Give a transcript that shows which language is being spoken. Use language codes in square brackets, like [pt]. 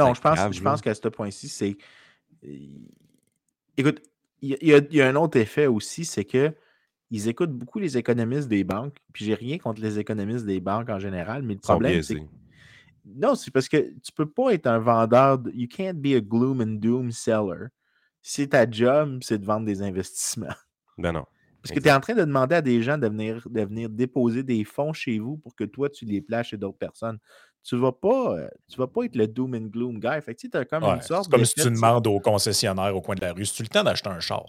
[fr] Non, je pense qu'à ce point-ci, c'est... Écoute, il y a un autre effet aussi, c'est que ils écoutent beaucoup les économistes des banques, puis j'ai rien contre les économistes des banques en général, mais le problème, c'est... Non, c'est parce que tu peux pas être un vendeur. [en] You can't be a gloom and doom seller. [fr] Si ta job, c'est de vendre des investissements. Ben non. Parce que tu es en train de demander à des gens de venir déposer des fonds chez vous pour que toi, tu les places chez d'autres personnes. Tu vas pas être le [en] doom and gloom guy. [fr] Fait que tu as comme une sorte. C'est comme si tu demandes au concessionnaire au coin de la rue, c'est-tu le temps d'acheter un char?